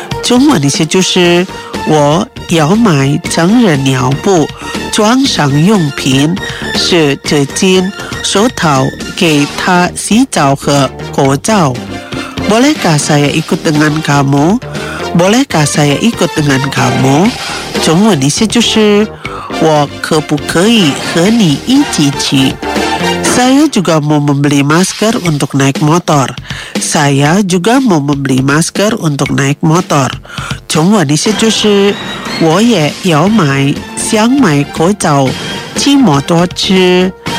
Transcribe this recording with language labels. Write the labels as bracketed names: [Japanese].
[Chinese] 中文的意思就是 我要买成人尿布，装上用品，是纸巾、手套给他洗澡和口罩。 [Indonesian] Bolehkah saya ikut dengan kamu? Bolehkah saya ikut dengan kamu? [Chinese] 中文的意思就是 我可不可以和你一起去？ [Indonesian] Saya juga mau membeli masker untuk naik motor. Saya juga mau membeli masker untuk naik motor. [Chinese] 中文的意思就是 我也要买，想买口罩，骑摩托车。